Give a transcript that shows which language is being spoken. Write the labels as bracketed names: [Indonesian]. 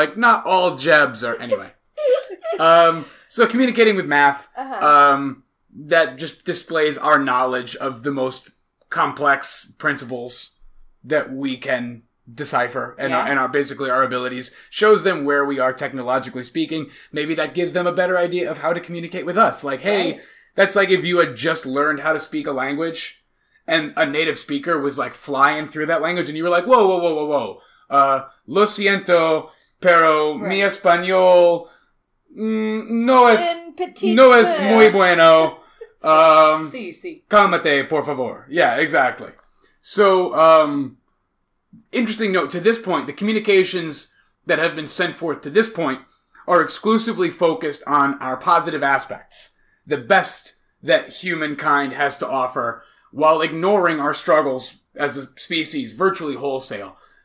[English] Like, not all Jebs are, anyway. So communicating with math, that just displays our knowledge of the most complex principles that we can decipher and our basically our abilities, shows them where we are technologically speaking. Maybe that gives them a better idea of how to communicate with us. Like, hey, that's like if you had just learned how to speak a language and a native speaker was like flying through that language and you were like, whoa, whoa, whoa, whoa, whoa. [Spanish] Lo siento, pero mi español no es muy bueno. Sí, sí. Cálmate, por favor. [English] Yeah, exactly. So, interesting note, to this point, the communications that have been sent forth to this point are exclusively focused on our positive aspects, the best that humankind has to offer, while ignoring our struggles as a species, virtually wholesale,